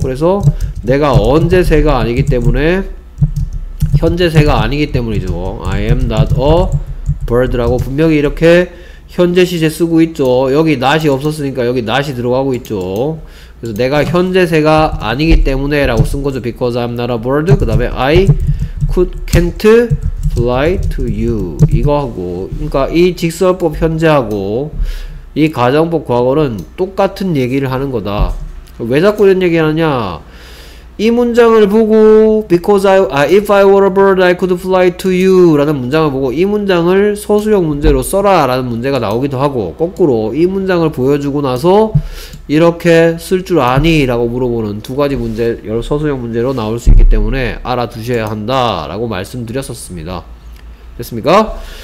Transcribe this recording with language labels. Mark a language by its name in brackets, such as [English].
[Korean] 그래서 내가 언제 새가 아니기 때문에 현재 새가 아니기 때문이죠. [English] I am not a bird [Korean] 라고 분명히 이렇게 현재 시제 쓰고 있죠. 여기 not이 없었으니까 여기 not이 들어가고 있죠. 그래서 내가 현재 새가 아니기 때문에 라고 쓴 거죠. [English] Because I'm not a bird. 그 다음에 I can't fly to you. [Korean] 이거 하고 그러니까 이 직설법 현재하고 이 가정법 과거는 똑같은 얘기를 하는 거다. 왜 자꾸 이런 얘기 하느냐. 이 문장을 보고 [English] if I were a bird I could fly to you [Korean] 라는 문장을 보고 이 문장을 서술형 문제로 써라 라는 문제가 나오기도 하고 거꾸로 이 문장을 보여주고 나서 이렇게 쓸 줄 아니 라고 물어보는 두 가지 문제 여러 서술형 문제로 나올 수 있기 때문에 알아두셔야 한다 라고 말씀드렸었습니다. 됐습니까?